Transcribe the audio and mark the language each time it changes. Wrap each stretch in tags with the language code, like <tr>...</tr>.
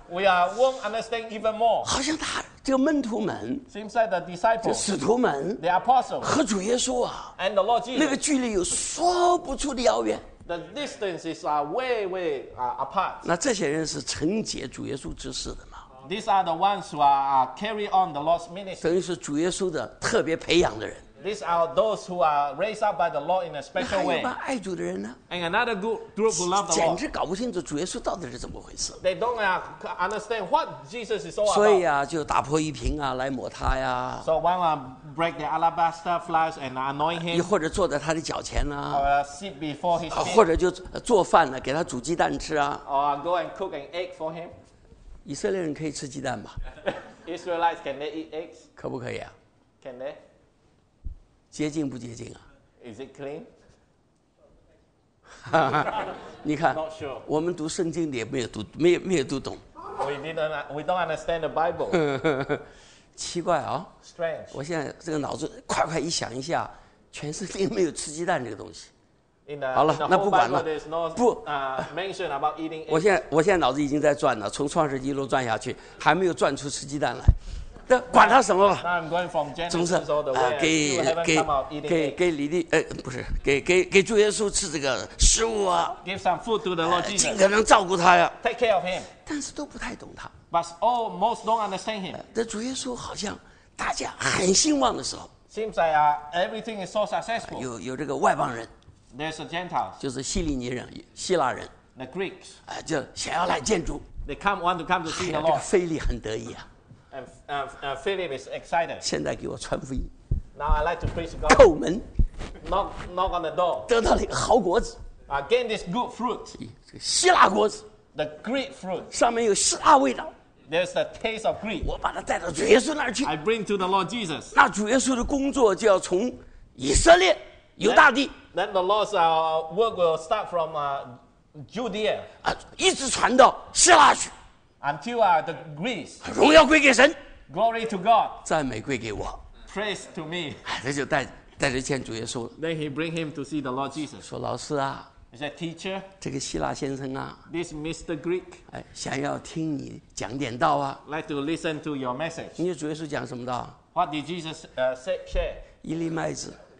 <en>We are won't understand even more.</en> <zh>好像他这个门徒们</zh> <en>，seems like the disciples,</en> <zh>使徒们</zh> <en>，the apostles,</en> <zh>和主耶稣啊</zh> <en>，and the Lord Jesus,</en> <zh>那个距离有说不出的遥远。</zh> <en>The distances are way, way apart.</en> <zh>那这些人是承接主耶稣之事的吗？</zh> <en>These are the ones who are carry on the Lord's ministry.</en> <zh>等于是主耶稣的特别培养的人。</zh> <en>These are those who are raised up by the Lord in a special way.</en> <zh>那还有帮爱主的人呢</zh> <en>？And another group who love the Lord.</en> <zh>简直搞不清楚主耶稣到底是怎么回事。</zh> <en>They don't understand what Jesus is all about.</en> <zh>所以啊，就打破一瓶啊，来抹他呀。</zh> <en>So one break the alabaster flask and anoint him.</en> <zh>又或者坐在他的脚前呢、啊、</zh> <en>？Or sit before his feet.</en> <zh>或者就做饭呢，给他煮鸡蛋吃啊。</zh> <en>Or go and cook an egg for him.</en> <zh>以色列人可以吃鸡蛋吧</zh> <en>？Israelites can they eat eggs?</en> <zh>可不可以啊</zh> <en>？Can they?</en> <zh>洁净不洁净啊</zh> <en>？Is it clean？</en> <zh>你看，</zh> <en>Not sure.</en> <zh>我们读圣经的也没有读，没有读懂。</zh> <en>We don't understand the Bible.</en> <zh>奇怪啊、哦、</zh> <en>！Strange.</en> <zh>我现在这个脑子快一想一下，全圣经没有吃鸡蛋这个东西。</zh> <en>The,</en> <zh>好了，那不管了。</zh> <en>Bible, no,</en> <zh>不、</zh> <en>mention about eating.</en> <zh>我现在脑子已经在转了，从创世纪一路转下去，还没有转出吃鸡蛋来。管他什么吧，总是给李弟，不是给主耶稣吃这个食物啊</zh> <en>，give some food to the Lord Jesus，</en> <zh>尽可能照顾他呀</zh> <en>，take care of him，</en> <zh>但是都不太懂他</zh> <en>，but all most don't understand him。</en> <zh>这主耶稣好像大家很兴旺的时候</zh> <en>，seems like everything is so successful。</en> <zh>有这个外邦人</zh> <en>，there's a Gentile，</en> <zh>就是希利尼人，希腊人</zh> <en>，the Greeks，</en> <zh>就想要来见主</zh> <en>，they come want to come to see the Lord。</en> <zh>这个腓力很得意啊。</zh> <en>And Philip is excited.</en> <zh>现在给我传福音。</zh> <en>Now I like to preach God.</en> <zh>叩门。</zh> <en>Knock on the door.</en> <zh>得到了一个好果子。</zh> <en>Again, this good fruit.</en> <zh>希腊果子。</zh> <en>The Greek fruit.</en> <zh>上面有希腊味道。</zh> <en>There's the taste of Greek.</en> <zh>我把它带到主耶稣那儿去。</zh> <en>I bring to the Lord Jesus.</en> <zh>那主耶稣的工作就要从以色列犹大地。</zh> <en>Then the Lord's work will start from Judea.</en> <zh>一直传到希腊去。</zh> <en>Until the Greece,</en> <zh>荣耀归给神</zh> <en>，Glory to God，</en> <zh>赞美归给我</zh> <en>，Praise to me。</en> <zh>他就带着见主耶稣</zh> <en>Then he bring him to see the Lord Jesus。</en> <zh>说老师啊</zh> <en>Is that teacher?</en> <zh>这个希腊先生啊。</zh> <en>This Mr. Greek.</en> <zh>哎，想要听你讲点道啊。</zh> <en>Like to listen to your message.</en> <zh>你主耶稣讲什么道</zh> <en>？What did Jesus say? Share.</en> <zh>一粒麦子。</zh>